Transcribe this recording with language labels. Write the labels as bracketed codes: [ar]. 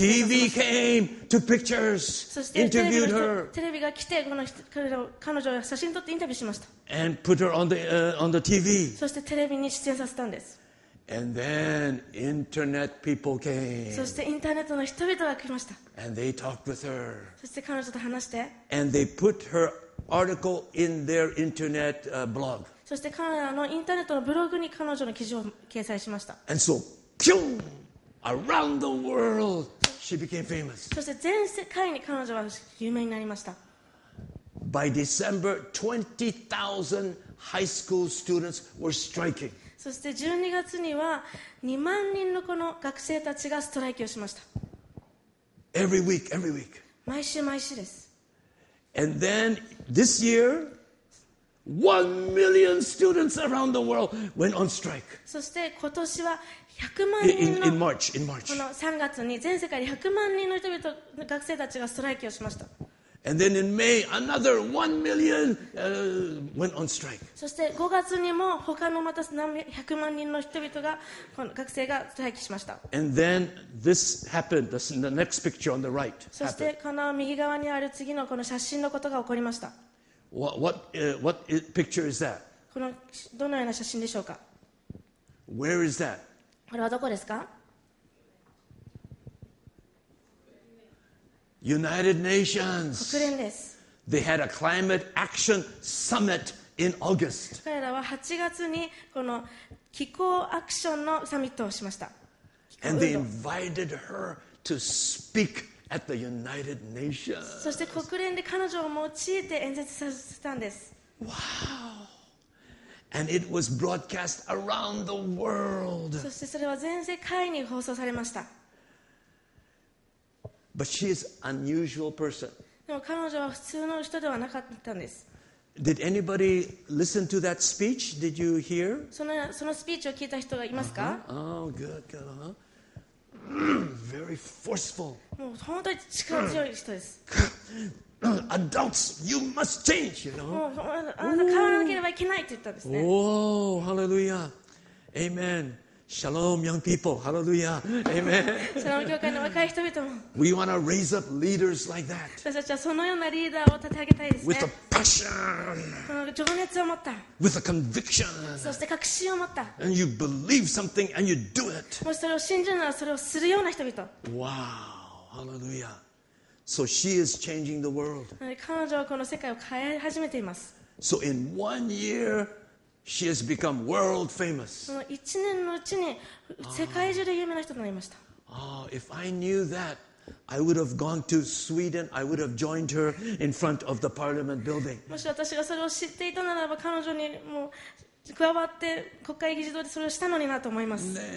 [en] TV came, took pictures, interviewed her. [ja] テレビが来てこの彼女を写真撮ってインタビューしました。 [en] And put her on the TV. [ja] そしてテレビに出演させたんです。 [en] And then internet people came. [ja] そしてインターネットの人々が来ました。 [en] And they talked with her. [ja] そして彼女と話して。 [en] And they put her article in their internet blog. [ja] そして彼らのインターネットのブログに彼女の記事を掲載しました。 [en] And so, boom! Around the world, she became famous. [ja] そして全世界に彼女は有名になりました。 [en] By December, 20,000 high school students were striking. [ja] そして12月には2万人のこの学生たちがストライキをしました。 [en] Every week, every week. [ja] 毎週毎週です。 [en] And then this year, 1 million students around the world went on strike. [ja] そして今年は100万人の [en] in March, in March. [ja] この3月に全世界で100万人の人々の学生たちがストライキをしました。 [en] And then in May, another 1 million went on strike. [ja] そして5月にも他のまた100万人の人々が学生がストライキしました。 [en] And then this happened. This is the next picture on the right. [ja] そしてこの右側にある次のこの写真のことが起こりました。 [en] What picture is that? [ja] このどのような写真でしょうか。 [en] Where is that? [ja] これはどこですか。 [en] United Nations. [ja] 国連です。 [en] They had a climate action summit in August. [ja] 彼らは8月にこの気候アクションのサミットをしました。 [en] And they invited her to speak at the United Nations. [ja] そして国連で彼女を用いて演説させたんです。 [en] Wow! And it was broadcast around the world. [ja] そしてそれは全世界に放送されました。 [en] But she is an unusual person. [ja] でも彼女は普通の人ではなかったんです。 [en] Did anybody listen to that speech? Did you hear? [ja] そのスピーチを聞いた人がいますか？ [en] Uh-huh. Oh, good, good, huh? Very forceful. [ja] もう本当に力強い人です。 [en] Adults, you must change, you know? [ja] もうあの変わらなければいけないって言ったんですね。 [en] Oh, hallelujah. Amen. Shalom, young people. Hallelujah. Amen. [ja] Shalom, 教会の若い人々も。 [en] We want to raise up leaders like that. [ja] 私たちはそのようなリーダーを立て上げたいですね。 [en] With a passion. [ja] 情熱を持った。 [en] With a conviction. [ja] そして確信を持った。 [en] And you believe something and you do it. [ja] もしそれを信じるならそれをするような人々。 [en] Wow. Hallelujah. So she is changing the world. [ja] 彼女はこの世界を変え始めています。 [en] So in one year,She has become world famous. [ja] その1年のうちに世界中で有名な人となりました。 [en] Ah, if I knew that, I would have gone to Sweden. I would have joined her in front of the parliament building. [ja] もし私がそれを知っていたならば、彼女にもう加わって国会議事堂でそれをしたのになと思います。